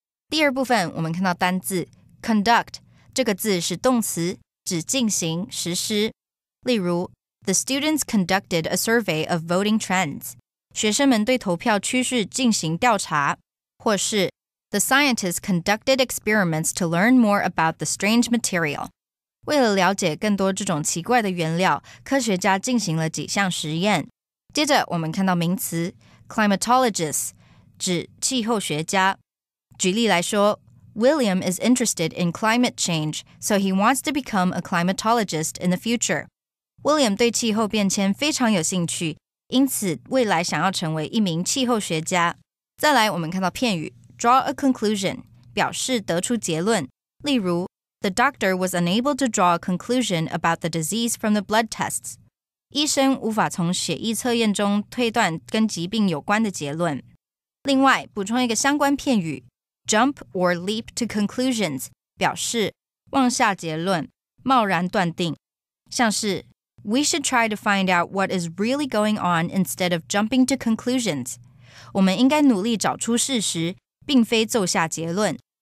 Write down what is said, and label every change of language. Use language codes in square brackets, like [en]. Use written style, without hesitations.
[zh] 第二部分我们看到单字 conduct, 这个字是动词指进行实施。 [en] 例如 ,the students conducted a survey of voting trends, [zh] 学生们对投票趋势进行调查。或是 [en] ,the scientists conducted experiments to learn more about the strange material. [zh] 为了了解更多这种奇怪的原料,科学家进行了几项实验。接着我们看到名词 ,climatologists, 指气候学家。举例来说 [en] ,William is interested in climate change, so he wants to become a climatologist in the future. [zh] William 对气候变迁非常有兴趣,因此未来想要成为一名气候学家。再来我们看到片语 , [en] draw a conclusion, [zh] 表示得出结论。例如 [en] ,the doctor was unable to draw a conclusion about the disease from the blood tests. [zh] 医生无法从血液测验中推断跟疾病有关的结论。另外补充一个相关片语 [en] Jump or leap to conclusions, [zh] 表示妄下结论，贸然断定。像是 [en] ,we should try to find out what is really going on instead of jumping to conclusions. [zh] 我们应该努力找出事实，并非奏下结论。